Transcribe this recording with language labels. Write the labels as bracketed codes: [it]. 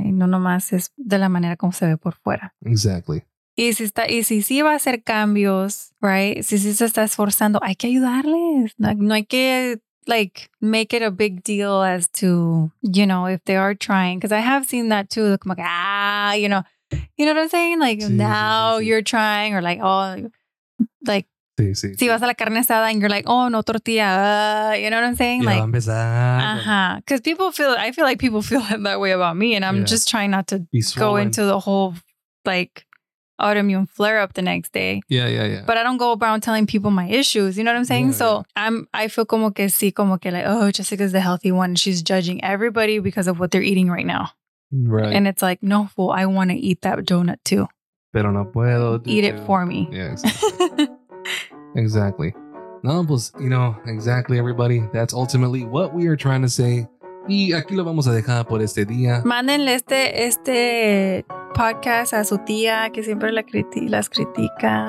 [es] Y no nomás es de la manera como se ve por fuera. [en] Exactly. [es] Y si está, y si sí va a hacer cambios, right? Si sí se está esforzando, hay que ayudarles. No hay que, [en] like, make it a big deal as to, you know, if they are trying. Because I have seen that too. [es] Como que, [en] you know. You know what I'm saying? Like, sí, now sí, sí, sí. You're trying, or like, oh, like, [es] sí, sí, si sí. Vas a la carne asada [en] and you're like, oh, no tortilla. You know what I'm saying? [es] Y [en] like, [es] va a uh-huh. [en] Because I feel like people feel that way about me, and I'm yeah. just trying not to go into the whole like autoimmune flare up the next day. Yeah, yeah, yeah. But I don't go around telling people my issues. You know what I'm saying? Yeah, so yeah. I feel [es] como que sí, como que [en] like, oh, Jessica's the healthy one. She's judging everybody because of what they're eating right now. Right. And it's like, no, fool, I want to eat that donut too. [es] Pero no puedo. [en] Eat it for me. Yes. Exactly. No, pues, you know, exactly, everybody. That's ultimately what we are trying to say. [es] Y aquí lo vamos a dejar por este día. Mándenle este podcast a su tía, que siempre las critica.